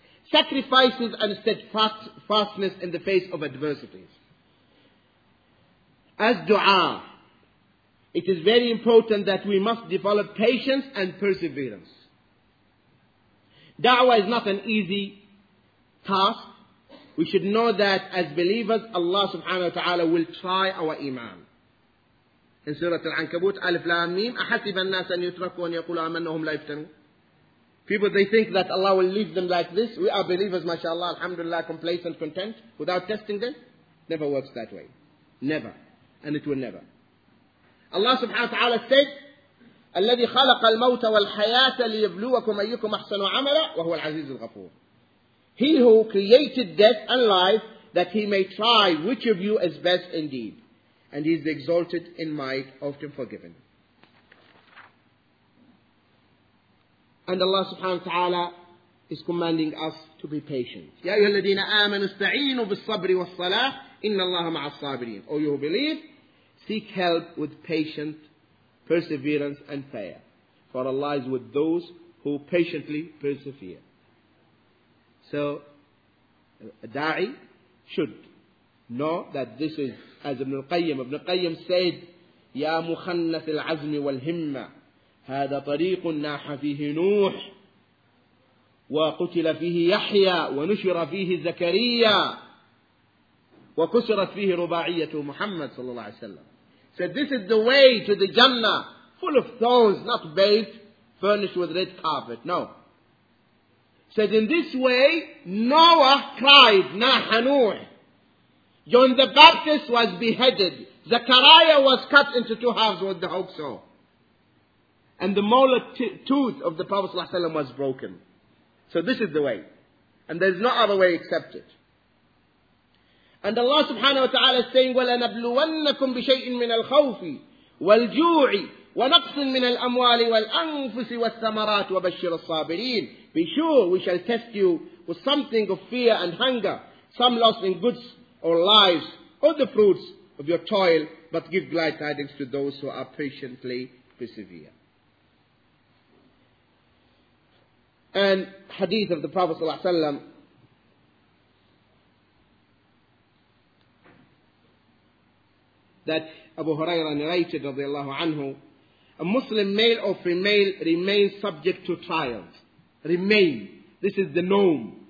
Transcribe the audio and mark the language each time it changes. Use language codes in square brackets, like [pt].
[en] Sacrifices and steadfastness in the face of adversities. As dua, It is very important that we must develop patience and perseverance. Da'wah is not an easy task. We should know that as believers, Allah subhanahu wa ta'ala will try our iman. [ar] In Surah Al-Ankabut, Alif Lam Mim, أَحَسِبَ النَّاسَ أَنْ يُتْرَكُوا أَنْ يَقُولُوا أَمَنَّهُمْ لَا يُفْتَنُوا. [en] People, they think that Allah will leave them like this. We are believers, mashallah, alhamdulillah, complacent, content, without testing them. Never works that way. Never. And it will never. Allah subhanahu wa ta'ala said, [ar] الَّذِي خَلَقَ الْمَوْتَ وَالْحَيَاةَ لِيَبْلُوَكُمْ أَيُّكُمْ أَحْسَنُ عَمَلًا وَهُوَ الْعَزِيزُ الْغَفُورُ. [en] He who created death and life, that he may try which of you is best indeed. And he is exalted in might, often forgiven. And Allah subhanahu wa ta'ala is commanding us to be patient. [ar] يَا أَيُّهَا الَّذِينَ آمَنُوا اسْتَعِينُوا بِالصَّبْرِ وَالصَّلَاةِ إِنَّ اللَّهَ مَعَ الصَّابِرِينَ. [en] O you who believe, seek help with patient perseverance and prayer. For Allah is with those who patiently persevere. So, a da'i should know that this is, as Ibn al-Qayyim. Ibn al-Qayyim said, [ar] يَا مُخَنَّثِ الْعَزْمِ وَالْهِمَّةِ هذا طريق ناح فيه نوح وقتل فيه يحيى ونشر فيه زكريا وكسرت فيه رباعية محمد صلى الله عليه وسلم. [en] So this is the way to the Jannah, full of thorns, not bathed, furnished with red carpet. No. Said in this way, Noah cried, [ar] ناح نوح. [en] John the Baptist was beheaded. Zechariah was cut into two halves with the hope so. And the molar tooth of the Prophet Sallallahu Alaihi Wasallam was broken. So this is the way. And there is no other way except it. And Allah subhanahu wa ta'ala is saying, [ar] وَلَنَبْلُوَنَّكُمْ بِشَيْءٍ مِنَ الْخَوْفِ وَالْجُوعِ وَنَقْصٍ مِنَ الْأَمْوَالِ وَالْأَنْفُسِ وَالثَّمَرَاتِ وَبَشِّرَ الصَّابِرِينَ. [en] Be sure we shall test you with something of fear and hunger, some loss in goods or lives, or the fruits of your toil, but give glad tidings to those who are patiently persevere. And hadith of the Prophet [ar] صلى الله عليه وسلم, [en] that Abu Hurairah narrated [ar] رضي الله عنه, [en] a Muslim male or female remains subject to trials. Remain. This is the norm.